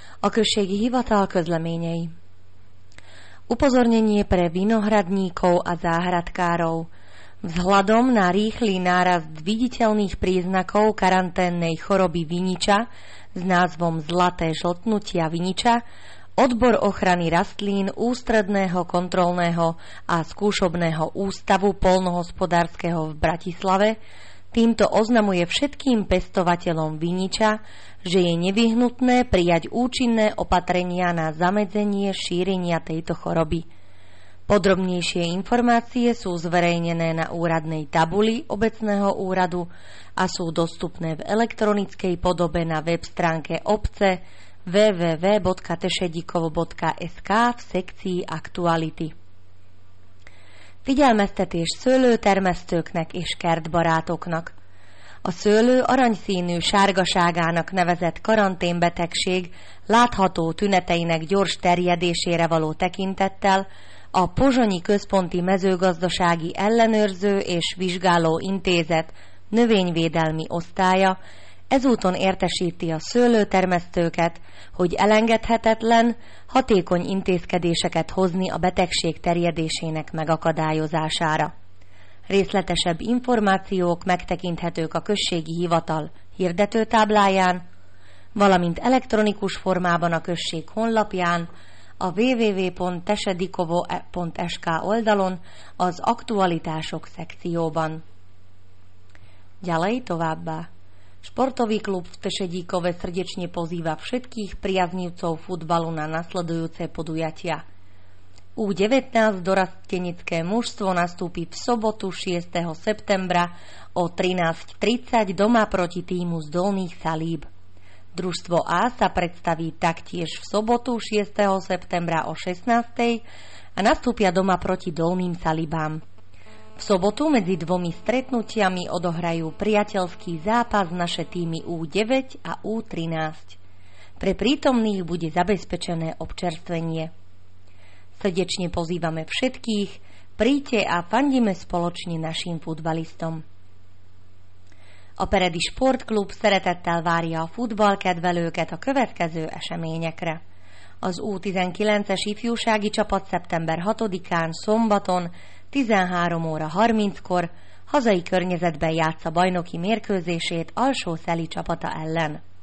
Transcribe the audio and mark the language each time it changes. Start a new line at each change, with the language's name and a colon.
Hungarian: Okršiek hývatal közleményei.
Slovak: Upozornenie pre vinohradníkov a záhradkárov. Vzhľadom na rýchly nárast viditeľných príznakov karanténnej choroby viniča s názvom Zlaté žltnutia viniča, odbor ochrany rastlín Ústredného kontrolného a skúšobného ústavu poľnohospodárskeho v Bratislave týmto oznamuje všetkým pestovateľom viniča, že je nevyhnutné prijať účinné opatrenia na zamedzenie šírenia tejto choroby. Podrobnejšie informácie sú zverejnené na úradnej tabuli obecného úradu a sú dostupné v elektronickej podobe na web stránke obce www.tešedikovo.sk v sekcii Aktuality.
Hungarian: Figyelmeztetés szőlőtermesztőknek és kertbarátoknak. A szőlő aranyszínű sárgaságának nevezett karanténbetegség látható tüneteinek gyors terjedésére való tekintettel a Pozsonyi Központi Mezőgazdasági Ellenőrző és Vizsgáló Intézet növényvédelmi osztálya ezúton értesíti a szőlőtermesztőket, hogy elengedhetetlen, hatékony intézkedéseket hozni a betegség terjedésének megakadályozására. Részletesebb információk megtekinthetők a községi hivatal hirdetőtábláján, valamint elektronikus formában a község honlapján, a www.tesedikovo.sk oldalon, az aktualitások szekcióban. Gyalej továbbá!
Slovak: Športový klub v Tešedíkove srdečne pozýva všetkých priaznivcov futbalu na nasledujúce podujatia. U19 dorastenecké mužstvo nastúpi v sobotu 6. septembra o 13:30 doma proti týmu z Dolných Salíb. Družstvo A sa predstaví taktiež v sobotu 6. septembra o 16:00 a nastúpia doma proti Dolným Salíbám. V sobotu medzi dvomi stretnutiami odohrajú priateľský zápas naše týmy U9 a U13. Pre prítomných bude zabezpečené občerstvenie. Srdečne pozývame všetkých, príďte a fandime spoločne našim futbalistom.
Hungarian: Operedy Sportklub szeretettel várja a futballkedvelőket a következő eseményekre. Az U19-es ifjúsági csapat szeptember 6-án szombaton 13:30-kor hazai környezetben játssza bajnoki mérkőzését Alsószeli csapata ellen.